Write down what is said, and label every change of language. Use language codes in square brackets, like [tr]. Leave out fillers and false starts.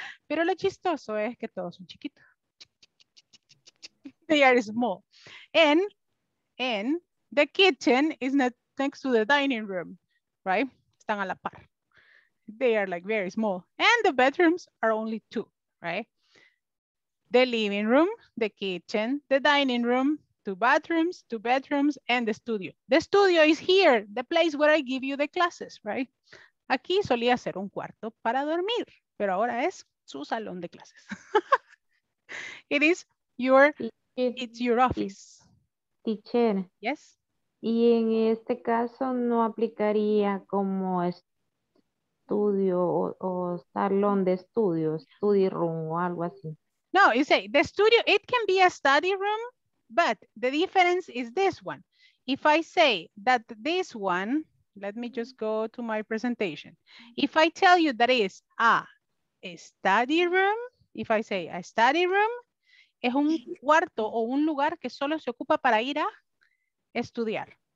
[es] Pero lo chistoso es que todos son chiquitos. [en] They are small. And the kitchen is not next to the dining room, right? [es] Están a la par. [en] They are like very small. And the bedrooms are only 2. Right? The living room, the kitchen, the dining room, 2 bathrooms, 2 bedrooms, and the studio. The studio is here, the place where I give you the classes, right? [es] Aquí solía ser un cuarto para dormir, pero ahora es su salón de clases. [en] It is your, it's your office. Teacher. Yes. [es] Y en este caso no aplicaría como estudio o salón de estudio, [en] study room [es] o algo así. [en] No, you say the studio, it can be a study room, but the difference is this one. If I say that this one, let me just go to my presentation. If I tell you that is a study room, if I say a study room, [es] es un cuarto o un lugar que solo se ocupa para ir a estudiar.